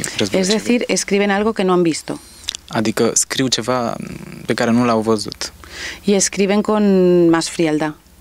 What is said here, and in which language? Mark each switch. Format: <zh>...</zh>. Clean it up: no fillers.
<es>Es decir, escriben algo que no han visto.</es> <ro>Adică scriu ceva pe care nu l-au văzut.</ro> <es>Y escriben con más frialdad.</es>